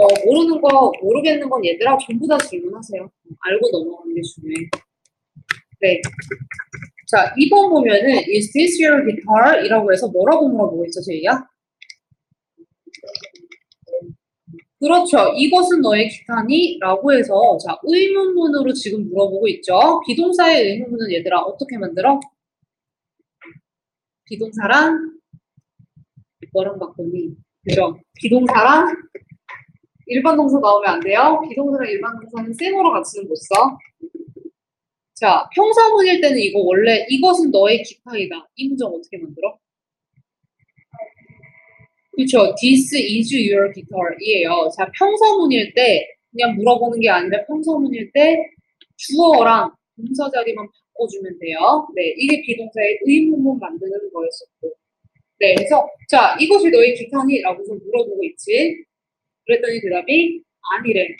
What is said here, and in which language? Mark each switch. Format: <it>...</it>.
<ko>모르는 거 모르겠는 건 얘들아 전부 다 질문하세요. 알고 넘어가는 게 중요해. 네. 자, 2번 보면은 Is this your guitar? 이라고 해서 뭐라고 물어보고 있죠, 제이야? 그렇죠. 이것은 너의 기타니? 라고 해서 자, 의문문으로 지금 물어보고 있죠. 비동사의 의문문은 얘들아 어떻게 만들어? 비동사랑 이거랑 바꾸니. 그죠? 비동사랑 일반 동사 나오면 안 돼요. 비동사랑 일반 동사는 쌩으로 같이는 못 써. 자, 형사문일 때는 이거 원래 이것은 너의 기타이다. 이 문장 어떻게 만들어? 그렇죠.</ko> <en>This is your guitar 이에요.</en> <ko>자, 평서문일 때 그냥 물어보는 게 아니라 평서문일 때 주어랑 동사 자리만 바꿔주면 돼요. 네, 이게 비동사의 의문문 만드는 거였었고. 네, 그래서 자, 이것이 너의 기타니? 라고 좀 물어보고 있지. 그랬더니 대답이 아니래.</ko>